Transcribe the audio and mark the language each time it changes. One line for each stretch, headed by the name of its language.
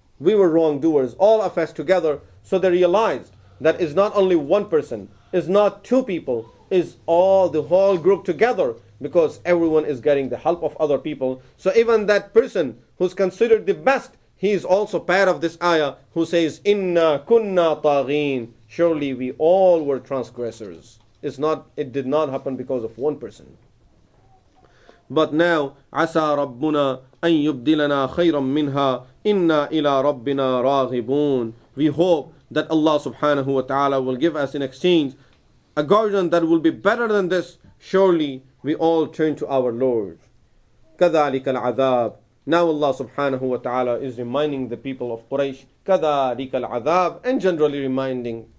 English: We were wrongdoers, all of us together. So they realized that it's not only one person, it's not two people, it's all the whole group together, because everyone is getting the help of other people. So even that person who's considered the best, he is also part of this ayah who says,
Arabic: إِنَّا كُنَّا طَاغِينَ,
English: surely we all were transgressors. It did not happen because of one person. But now,
Arabic: عَسَى رَبُّنَا أَن يُبْدِلَنَا خَيْرًا مِّنْهَا إِنَّا إِلَىٰ رَبِّنَا رَاغِبُونَ.
English: We hope that Allah subhanahu wa ta'ala will give us in exchange a garden that will be better than this. Surely we all turn to our Lord.
Arabic: كَذَٰلِكَ الْعَذَابِ.
English: Now Allah subhanahu wa ta'ala is reminding the people of Quraysh,
Arabic: كَذَٰلِكَ الْعَذَابِ,
English: and generally reminding